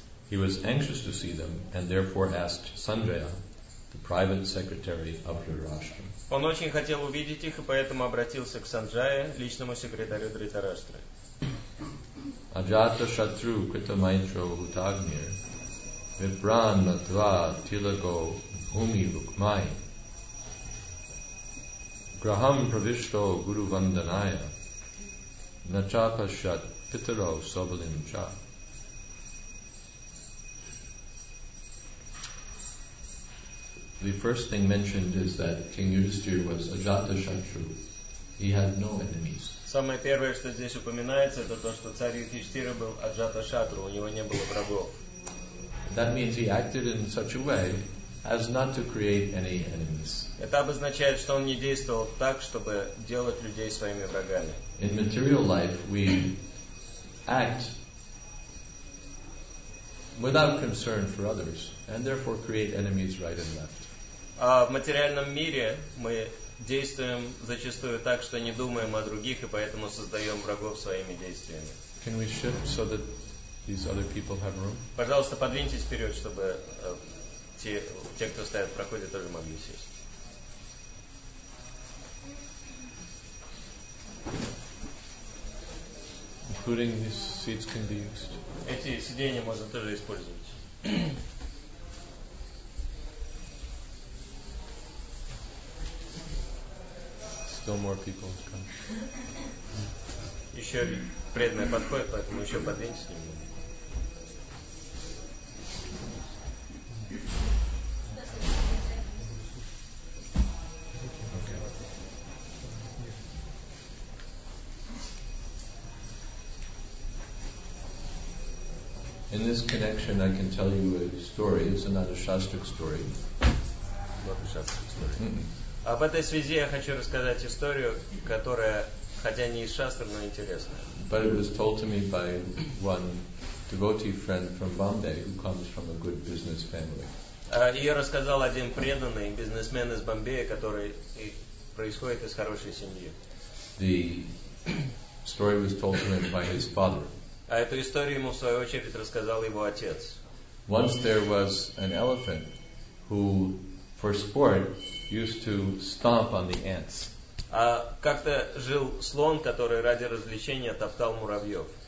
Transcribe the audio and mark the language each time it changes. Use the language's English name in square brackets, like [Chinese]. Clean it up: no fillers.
[English] He was anxious to see them and therefore asked Sanjaya, the private secretary of Dhritarashtra. [Russian] Он очень хотел увидеть их и поэтому обратился к Санджае, личному секретарю Дритараштры. [Sanskrit] Аджата шатру критамайтро утагнир випран натва тилаго бхуми лукмай грахам правишто гуру ванданая начапа шат питаро собалин ча. [English] The first thing mentioned is that King Yudhisthira was ajatashatru. He had no enemies. [Russian] Самое первое, что здесь упоминается, это то, что царь Юдхиштхира был аджатшатру, у него не было врагов. [English] That means he acted in such a way as not to create any enemies. [Russian] Это обозначает, что он не действовал так, чтобы делать людей своими врагами. [English] In material life, we act without concern for others, and therefore create enemies right and left. [Russian] В материальном мире мы действуем зачастую так, что не думаем о других, и поэтому создаем врагов своими действиями. [English] Can we shift so that these other people have room? [Russian] Пожалуйста, подвиньтесь вперед, чтобы те, кто стоят в проходе, тоже могли сесть. [English] Including these seats can be used. [Russian] Эти сиденья можно тоже использовать. [English] Still more people to come. [Russian] Еще преданный подходит, поэтому еще подвиньтесь немного. [English] In this connection, I can tell you a story. It's not a Shastric story. Not a Shastric story. [Russian] А в этой связи я хочу рассказать историю, которая, хотя не из шастры, но интересная. [English] But it was told to me by one devotee friend from Bombay who comes from a good business family. [Russian] Ее рассказал один преданный бизнесмен из Бомбея, который происходит из хорошей семьи. [English] The story was told to him by his father. [Russian] А эту историю ему в свою очередь рассказал его отец. [English] Once there was an elephant who for sport used to stomp on the ants. [Russian] А как-то жил слон, который ради развлечения топтал муравьев.